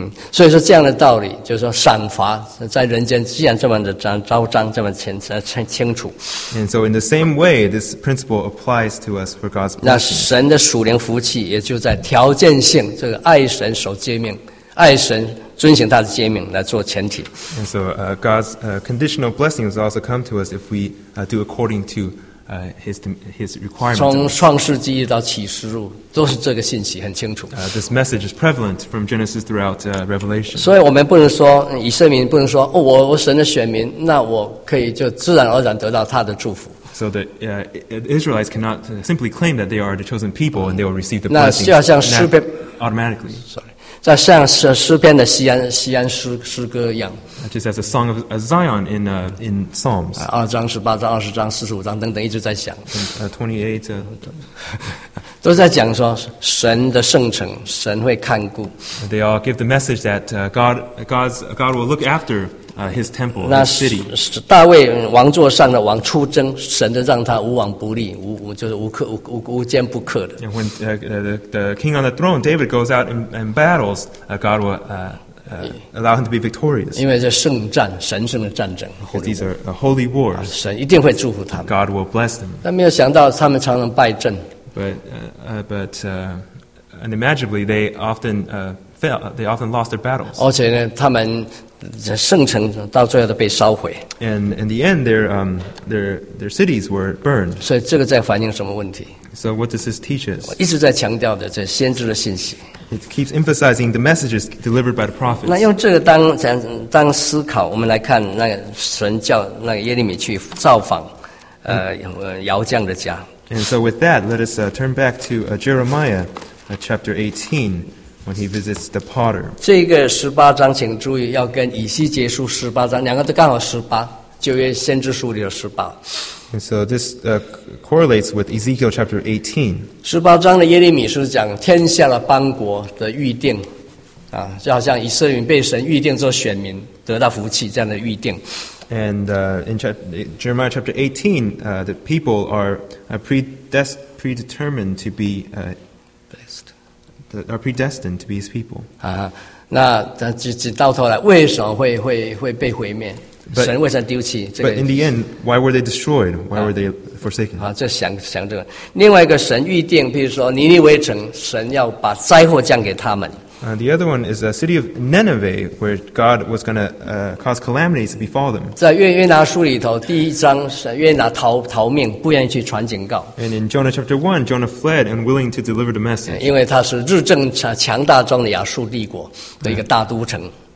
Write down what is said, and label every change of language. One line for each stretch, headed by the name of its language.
Chinese: 所以说这样的道理就是说，赏罚在人间既然这么的昭彰，这么清楚。
English: And so in the same way, this principle applies to us for God's blessing.
Chinese: 那神的属灵福气也就在条件性这个爱神守诫命，爱神。遵行他的诫命来做前提。
English: And so God's conditional blessings also come to us if we do according to his requirements.
Chinese: 从创世纪到启示录都是这个信息很清楚。
English: This message is prevalent from Genesis throughout Revelation.
Chinese: 所以我们不能说以色列民不能说哦，我神的选民，那我可以就自然而然得到他的祝福。
English: So the Israelites cannot simply claim that they are the chosen people and they will receive the blessing automatically. Sorry.
Chinese: 在像诗篇的西安诗歌一样
English: ，just as a song of a Zion in Psalms，
Chinese: 二章、十八章、二十章、四十五章等等一直在讲，28 都在讲说神的圣城，神会看顾。
English: They all give the message that God will look after His temple, His city.
Chinese: 那大卫王座上的王出征，神都让他无往不利，无坚不克的。
English: And when the king on the throne, David goes out in battles, God will allow him to be victorious.
Chinese: 因为这圣战，神圣的战争。
English: Because these are holy wars.
Chinese: 神一定会祝福他们。
English: God will bless them.
Chinese: 但没有想到他们常常败阵。
English: But unimaginably, they often fail. They often lost their battles.
Chinese: 而且呢，他们圣城到最后都被烧毁。
English: And in the end, their cities were burned.
Chinese: 所以这个在反映什么问题
English: ？So what does this teach us?
Chinese: 我一直在强调的这先知的信息。
English: It keeps emphasizing the messages delivered by the prophets.
Chinese: 那用这个当思考，我们来看那个神叫那个耶利米去造访摇匠的家。
English: And so with that, let us turn back to Jeremiah, chapter 18. When he visits the potter.
Chinese: 这个十八章，请注意，要跟以西结书十八章，两个都刚好十八，旧约先知书里的十八。
English: And so this correlates with Ezekiel chapter 18.
Chinese: 十八章的耶利米是讲天下的邦国的预定，就好像以色列被神预定做选民，得到福气这样的预定。
English: And in Jeremiah chapter 18, the people are predetermined to be blessed. That are predestined to be his people.
Chinese: 那直到头来，为什么会被毁灭？神为什么丢弃？
English: But in the end, why were they destroyed? Why were they forsaken?
Chinese: 这想这个。另外一个神预定，比如说尼尼微城，神要把灾祸降给他们。
English: The other one is the city of Nineveh, where God was going to cause calamities to befall them.
Chinese: 在约拿书里头，第一章是约拿逃命，不愿意去传警告。
English: And in Jonah chapter 1, Jonah fled, unwilling to deliver the message.
Chinese: 因为他是日正强大中的亚述帝国的一个大都城。